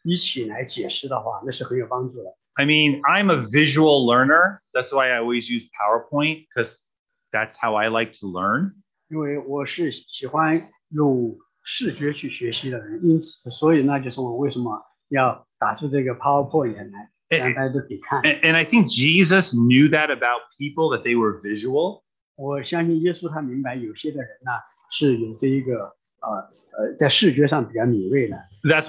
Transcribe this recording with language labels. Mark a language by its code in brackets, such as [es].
[zh] 当我们要解释经文的时候，如果我们能够有其他的经文，能够一起来解释的话，那是很有帮助的。 [en] I mean, I'm a visual learner. That's why I always use PowerPoint, because that's how I like to learn. [zh] 因为我是喜欢用视觉去学习的人，因此，所以那就是我为什么要打出这个PowerPoint来。 [en] And I think Jesus knew that about people, that they were visual. [zh] 我相信耶稣他明白有些的人呢，是有这一个，在视觉上比较敏锐的。That's